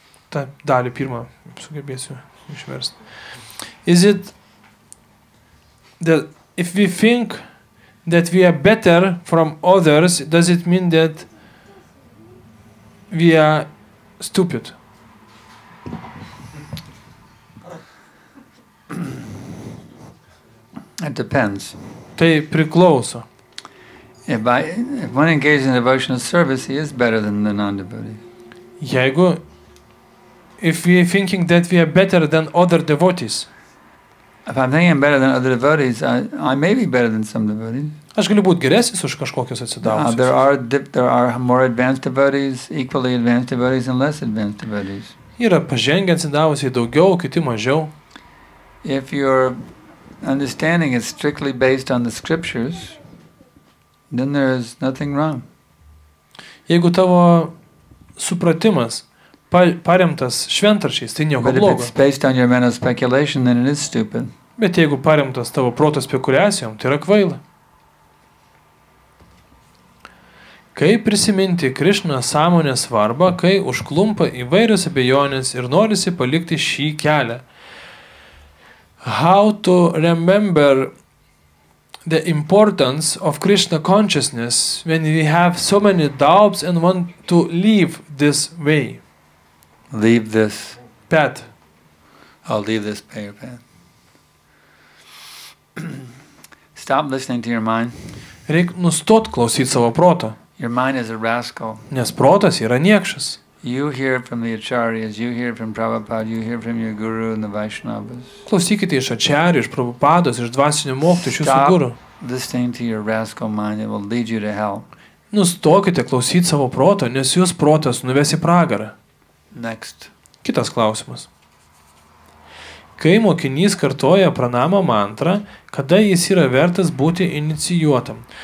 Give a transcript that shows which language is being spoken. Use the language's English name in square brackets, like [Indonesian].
[Lithuanian] Ta dalį pirmą sugebėsiu išversti. [English] Is it that if we think that we are better from others, does it mean that we are stupid? It depends. [Lithuanian] Tai priklauso. [English] If one engages in devotional service, he is better than the non-devotee. [Lithuanian] Jeigu, [English] if we are thinking that we are better than other devotees. If I'm thinking I'm better than other devotees, I may be better than some devotees. [Lithuanian] Aš galiu būti geresnis už kažkokius atsidavusius. [English] There are more advanced devotees, equally advanced devotees and less advanced devotees. [Lithuanian] Yra pažengę atsidavusiai daugiau, kiti mažiau. [English] If your understanding is strictly based on the scriptures, then there is nothing wrong. [Lithuanian] Jeigu tavo supratimas paremtas šventrašiais, tai nieko blogo. [English] But if it's based on your mental speculation, then it is stupid. [Lithuanian] Bet jeigu paremtas tavo proto spekuliacijom, tai yra kvaila. Kaip prisiminti Krišna sąmonės svarbą, kai užklumpa įvairius abejonės ir norisi palikti šį kelią? [English] How to remember the importance of Krishna consciousness when we have so many doubts and want to leave this way? Leave this path. I'll leave this path. Stop listening to your mind. [Lithuanian] Reik nustot klausyti savo proto. [English] Your mind is a rascal. [Lithuanian] Nes protas yra niekšas. [English] You hear from the acharyas, you hear from Prabhupada, you hear from your guru and the Vaishnavas. [Lithuanian] Klausykite iš acharyų, iš Prabhupados, iš dvasinių mokytojų, iš jūsų guru. [English] Listening to your rascal mind, it will lead you to hell. [Lithuanian] Nustokite klausyti savo proto, nes jūs protas nuves į pragarą. [English] Next. [Lithuanian] Kitas klausimas. Kai mokinys kartoja pranama mantrą, kada jis yra vertas būti inicijuotam?